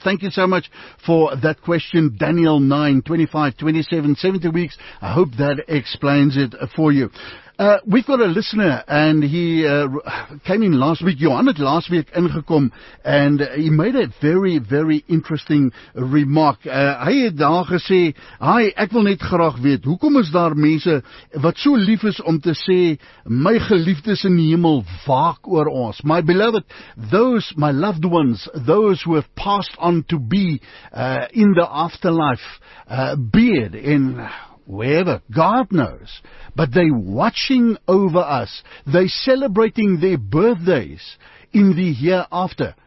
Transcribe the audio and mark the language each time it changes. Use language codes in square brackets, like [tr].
[en] Thank you so much for that question. Daniel 9, 25, 27, 70 weeks. I hope that explains it for you. We've got a listener, and he came in last week. Johan had last week ingekom, and he made a very, very interesting remark. [af] Hy het daar gesê, "Hi, ek wil net graag weet, hoekom is daar mense wat so lief is om te sê, my geliefdes in die hemel waak oor ons? [en] My beloved, those, my loved ones, those who have passed on to be in the afterlife, beard in wherever, God knows, but they watching over us, they celebrating their birthdays in the hereafter.